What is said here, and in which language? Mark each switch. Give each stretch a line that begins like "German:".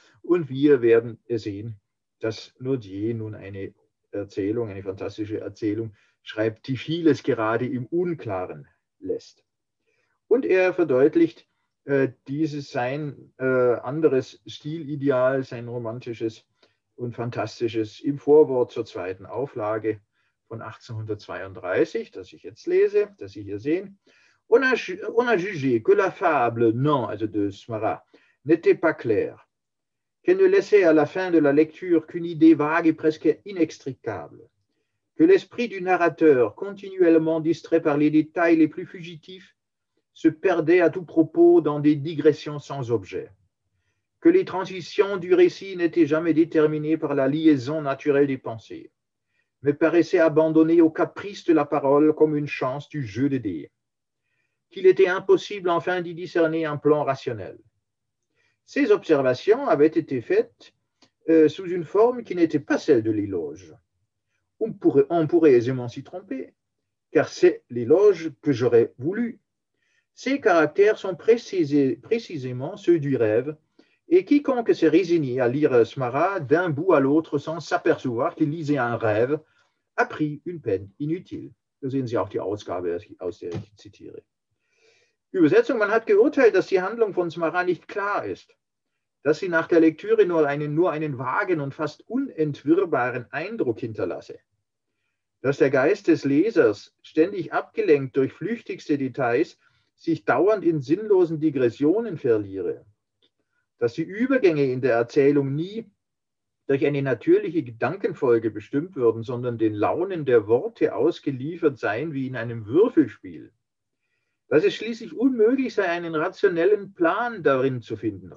German: Und wir werden sehen, dass Nodier nun eine Erzählung, eine fantastische Erzählung schreibt, die vieles gerade im Unklaren lässt. Und er verdeutlicht dieses sein anderes Stilideal, sein romantisches und fantastisches im Vorwort zur zweiten Auflage von 1832, das ich jetzt lese, das Sie hier sehen.
French: On a jugé que la fable, non, also de Smaragd, n'était pas claire, qu'elle ne laissait à la fin de la lecture qu'une idée vague et presque inextricable. Que l'esprit du narrateur, continuellement distrait par les détails les plus fugitifs, se perdait à tout propos dans des digressions sans objet. Que les transitions du récit n'étaient jamais déterminées par la liaison naturelle des pensées, mais paraissaient abandonnées au caprice de la parole comme une chance du jeu des dés. Qu'il était impossible enfin d'y discerner un plan rationnel. Ces observations avaient été faites sous une forme qui n'était pas celle de l'éloge. On pourrait aisément s'y tromper, car c'est l'éloge que j'aurais voulu. Ces caractères sont précisément ceux du rêve, et quiconque s'est résigné à lire Smaragd d'un bout à l'autre sans s'apercevoir qu'il lisait un rêve, a pris une peine inutile.
German: Da sehen Sie auch die Ausgabe, aus der ich zitiere. Übersetzung, man hat geurteilt, dass die Handlung von Smaragd nicht klar ist, dass sie nach der Lektüre nur einen vagen und fast unentwirrbaren Eindruck hinterlasse, dass der Geist des Lesers, ständig abgelenkt durch flüchtigste Details, sich dauernd in sinnlosen Digressionen verliere, dass die Übergänge in der Erzählung nie durch eine natürliche Gedankenfolge bestimmt würden, sondern den Launen der Worte ausgeliefert seien wie in einem Würfelspiel, dass es schließlich unmöglich sei, einen rationellen Plan darin zu finden.